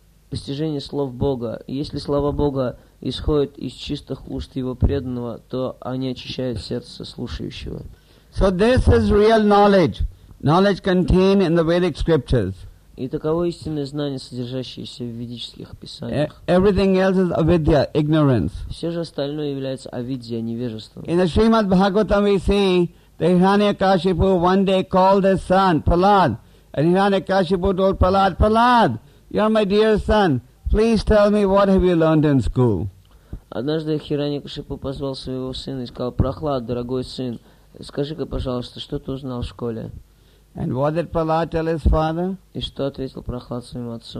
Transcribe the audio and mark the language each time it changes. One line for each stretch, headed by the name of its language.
Russian: постижение слов Бога. Если слова Бога исходят из чистых уст Его преданного, то они очищают сердце слушающего.
English: So this is real knowledge. Knowledge contained in the Vedic scriptures.
Russian: И таково истинное знание, содержащееся в ведических писаниях.
English: Everything else is avidya, ignorance.
Russian: Все же остальное является авидья, невежество.
English: In the Srimad Bhagavatam we see that Hiranyakashipu one day called his son, Prahlad. And Hiranyakashipu told Prahlad, Prahlad, you're my dear son. Please tell me what have you learned in school.
Russian: Однажды Хираньякашипу позвал своего сына и сказал, Прохлад, дорогой сын, скажи-ка, пожалуйста, что ты узнал в школе?
English: And what did Prahlad tell his father?
Russian: И что ответил Прохлад своему отцу?